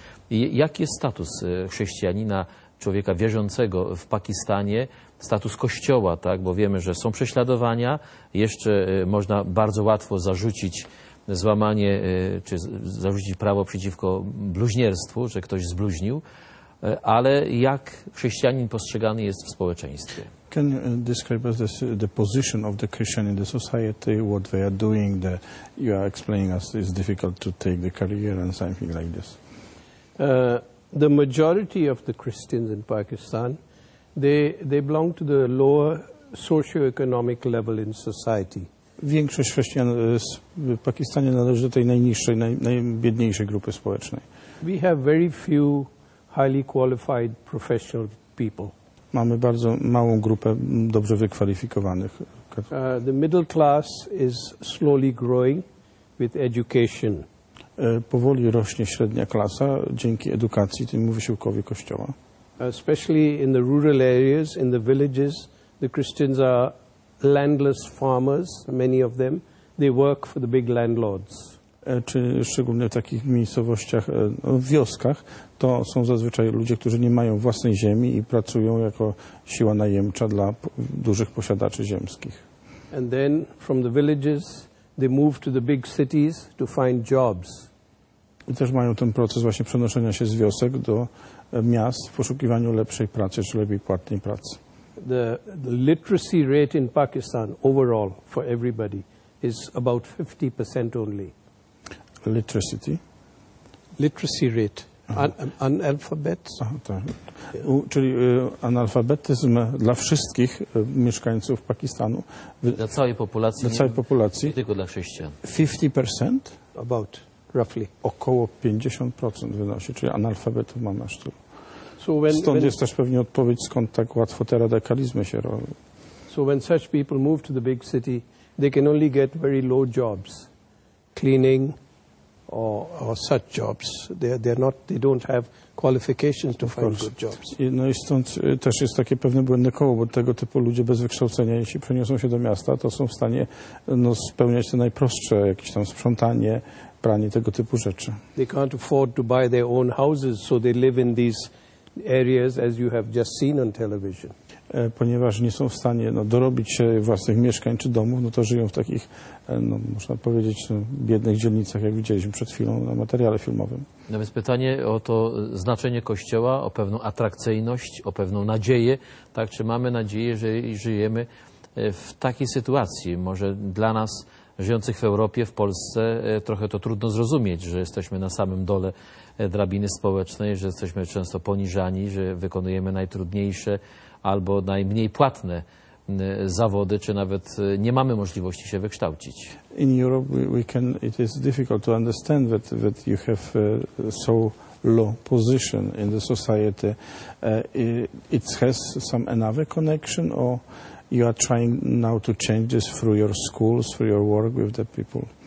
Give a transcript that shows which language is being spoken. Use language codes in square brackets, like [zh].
[pl] I jaki jest status chrześcijanina, człowieka wierzącego w Pakistanie, status kościoła, tak? Bo wiemy, że są prześladowania, jeszcze można bardzo łatwo zarzucić złamanie, czy zarzucić prawo przeciwko bluźnierstwu, że ktoś zbluźnił, ale jak chrześcijanin postrzegany jest w społeczeństwie? [en] Can you describe us the position of the Christian in the society, what they are doing, the, you are explaining us it's difficult to take the career and something like this? The majority of the Christians in Pakistan, they belong to the lower socio-economic level in society. [pl] Większość chrześcijan w Pakistanie należy do tej najniższej, najbiedniejszej grupy społecznej. [en] We have very few highly qualified professional people. [pl] Mamy bardzo małą grupę dobrze wykwalifikowanych. [en] The middle class is slowly growing with education. [pl] Powoli rośnie średnia klasa dzięki edukacji, temu wysiłkowi kościoła. [en] Especially in the rural areas, in the villages, the Christians are landless farmers, many of them, they work for the big landlords. [pl] Czy szczególnie w takich miejscowościach, no, w wioskach, to są zazwyczaj ludzie, którzy nie mają własnej ziemi i pracują jako siła najemcza dla dużych posiadaczy ziemskich. [en] And then from the villages they move to the big cities to find jobs. [pl] I też mają ten proces właśnie przenoszenia się z wiosek do miast w poszukiwaniu lepszej pracy czy lepiej płatnej pracy. [en] The literacy rate in Pakistan overall for everybody is about 50% only. Literacy? Literacy rate. [pl] Analfabetyzm. Czyli analfabetyzm dla wszystkich mieszkańców Pakistanu. Dla całej populacji. Dla całej populacji. Nie tylko dla chrześcijan. 50%? [en] About, roughly. [pl] Około 50% wynosi, czyli analfabetów ma aż tu. Stąd jest też pewnie odpowiedź, skąd tak łatwo te radykalizmy się robią. [en] So when such people move to the big city, they can only get very low jobs. Cleaning or such jobs. They don't have qualifications to find good jobs. [pl] No i stąd też jest takie pewne błędne koło, bo tego typu ludzie bez wykształcenia, jeśli przeniosą się do miasta, to są w stanie no, spełniać te najprostsze, jakieś tam sprzątanie, pranie, tego typu rzeczy. [en] They can't afford to buy their own houses, so they live in these areas, as you have just seen on television. [pl] Ponieważ nie są w stanie no, dorobić się własnych mieszkań czy domów, no to żyją w takich, no, można powiedzieć, no, biednych dzielnicach, jak widzieliśmy przed chwilą na materiale filmowym. No więc pytanie o to znaczenie kościoła, o pewną atrakcyjność, o pewną nadzieję. Tak, czy mamy nadzieję, że żyjemy w takiej sytuacji? Może dla nas, żyjących w Europie, w Polsce, trochę to trudno zrozumieć, że jesteśmy na samym dole drabiny społecznej, że jesteśmy często poniżani, że wykonujemy najtrudniejsze albo najmniej płatne zawody, czy nawet nie mamy możliwości się wykształcić. [en] In Europe we can, it is difficult to understand that, that you have so low position in the society. It has some another connection or you are trying now to change this through your schools, through your work with the people?